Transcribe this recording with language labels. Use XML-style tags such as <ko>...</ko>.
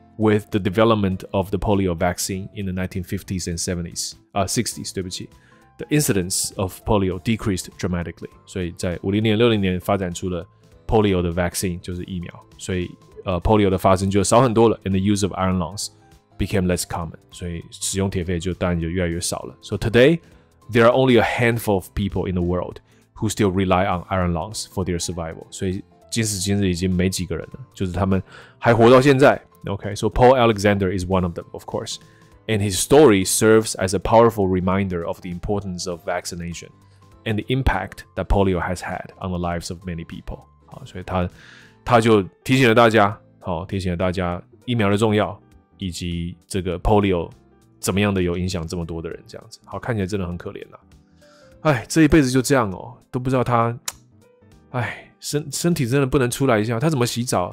<en>With the development of the polio vaccine in the 1950s and 70s, 60s,</en> <zh>对不起,</zh> <en>the incidence of polio decreased dramatically.</en> <zh>所以在50年、60年发展出了 polio 的 vaccine, 就是疫苗。所以polio 的发生就少很多了,</zh> <en>and the use of iron lungs became less common.</en> <zh>所以使用铁肺就当然就越来越少了。</zh> <en>So today, there are only a handful of people in the world who still rely on iron lungs for their survival.</en> <zh>所以今时今日已经没几个人了,就是他们还活到现在。</zh> <en>Okay, so Paul Alexander is one of them, of course. And his story serves as a powerful reminder of the importance of vaccination and the impact that polio has had on the lives of many people.</en> <zh>好，所以他就提醒了大家，好，提醒了大家疫苗的重要，以及这个 polio 怎么样的有影响这么多的人这样子。好，看起来真的很可怜啊。哎，这一辈子就这样哦，都不知道他，哎，身体真的不能出来一下，他怎么洗澡？</zh>